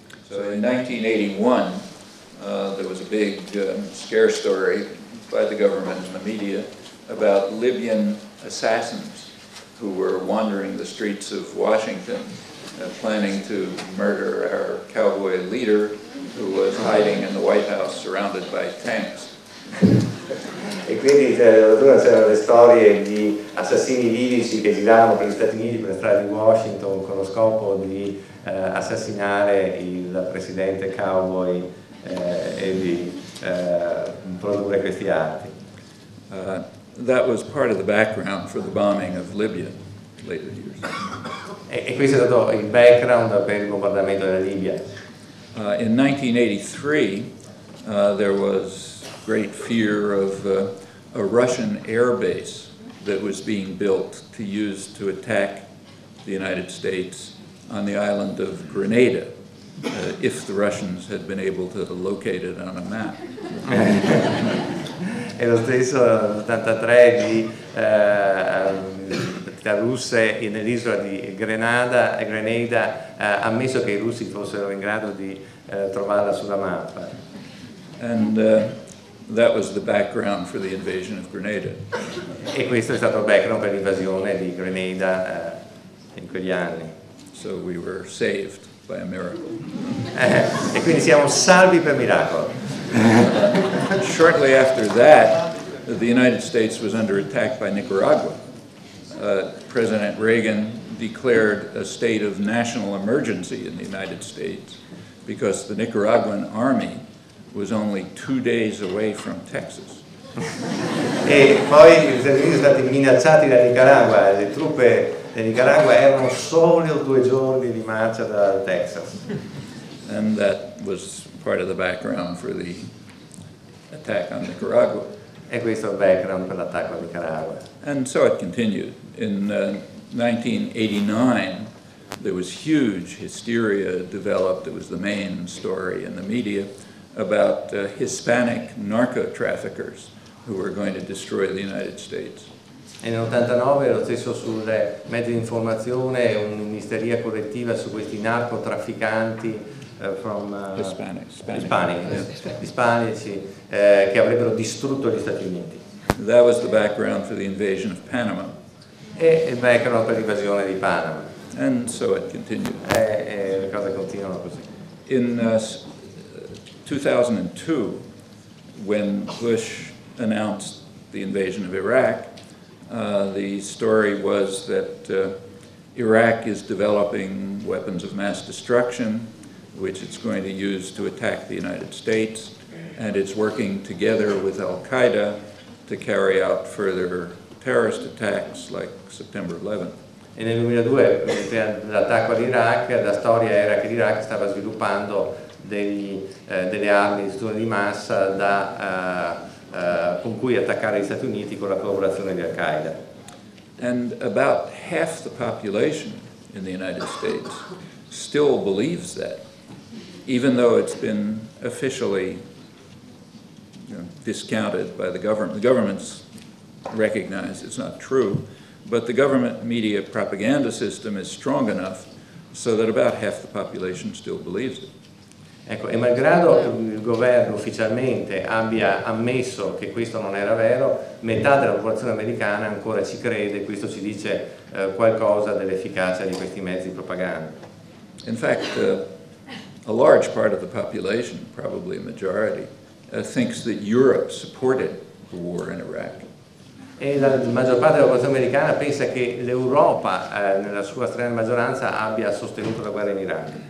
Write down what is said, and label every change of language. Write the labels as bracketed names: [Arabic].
[English] So in 1981 there was a big scare story by the government and the media about Libyan assassins who were wandering the streets of Washington planning to murder our cowboy leader who was hiding in the White House surrounded by tanks. [Italian] E quindi c'erano le storie di assassini libici che giravano per gli Stati Uniti per le strade di Washington con lo scopo di assassinare il presidente cowboy e di produrre questi atti. [English] That was part of the background for the bombing of Libya later years. [Italian] E questo è stato il background per il bombardamento della Libia. [English] In 1983 there was great fear of a Russian air base that was being built to use to attack the United States on the island of Grenada, if the Russians had been able to locate it on a map. [Italian] E lo stesso 83 di attività russe nell'isola di Grenada ha ammesso che i russi fossero in grado di trovarla sulla mappa. [English] And that was the background for the invasion of Grenada. [Italian] E questo è stato il background per l'invasione di Grenada in quegli anni. [English] So we were saved by a miracle. [Italian] E quindi siamo salvi per miracolo. [English] Shortly after that, the United States was under attack by Nicaragua. President Reagan declared a state of national emergency in the United States because the Nicaraguan army was only 2 days away from Texas. [Italian] E poi gli Stati Uniti sono stati minacciati da Nicaragua, le truppe di Nicaragua erano solo 2 giorni di marcia da Texas. [English] And that was part of the background for the attack on Nicaragua. [Italian] E questo è il background per l'attacco a Nicaragua. [English] And so it continued. In 1989, there was huge hysteria developed, it was the main story in the media, about Hispanic narco-traffickers who were going to destroy the United States. [Italian] E nel 89, lo stesso sulle mezzi di informazione, un'isteria collettiva su questi narcotrafficanti Hispanici che avrebbero distrutto gli Stati Uniti. [English] That was the background for the invasion of Panama. [Italian] E il background per l'invasione di Panama. [English] And so it continued. [Italian] E le cose continuano così. [English] In 2002, when Bush announced the invasion of Iraq, the story was that Iraq is developing weapons of mass destruction, which it's going to use to attack the United States, and it's working together with Al-Qaeda to carry out further terrorist attacks like September 11th. [Italian] E nel 2002, l'attacco all'Iraq, la storia era che l'Iraq stava sviluppando delle armi di distruzione di massa con cui attaccare gli Stati Uniti con la collaborazione di Al-Qaeda. [English] And about half the population in the United States still believes that, even though it's been officially discounted by the government. The government's recognized it's not true, but the government media propaganda system is strong enough so that about half the population still believes it. [Italian] Ecco, e malgrado il governo ufficialmente abbia ammesso che questo non era vero, metà della popolazione americana ancora ci crede, questo ci dice qualcosa dell'efficacia di questi mezzi di propaganda. [English] In fact, a large part of the population, probably a majority, thinks that Europe supported the war in Iraq. [Italian] E la maggior parte della popolazione americana pensa che l'Europa, nella sua stragrande maggioranza, abbia sostenuto la guerra in Iraq.